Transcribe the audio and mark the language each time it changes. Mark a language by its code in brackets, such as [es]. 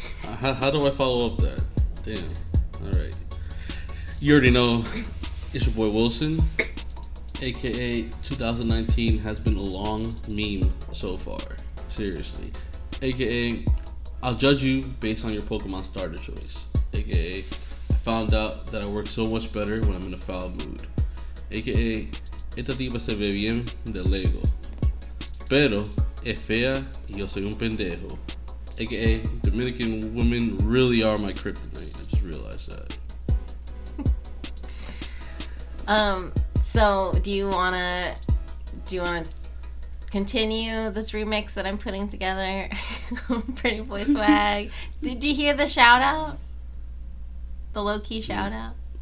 [en] How do I follow up that? Damn. All right. You already know. It's your boy Wilson. AKA 2019 has been a long meme so far. Seriously. AKA I'll judge you based on your Pokemon starter choice. AKA I found out that I work so much better when I'm in a foul mood. [es] AKA esta tipa se ve bien de Lego. Pero es fea y yo soy un pendejo. [en] AKA, Dominican women really are my kryptonite. I just realized that. So do you wanna continue this remix that I'm putting together? Pretty boy swag. Did you hear the shout out? The low key shout out?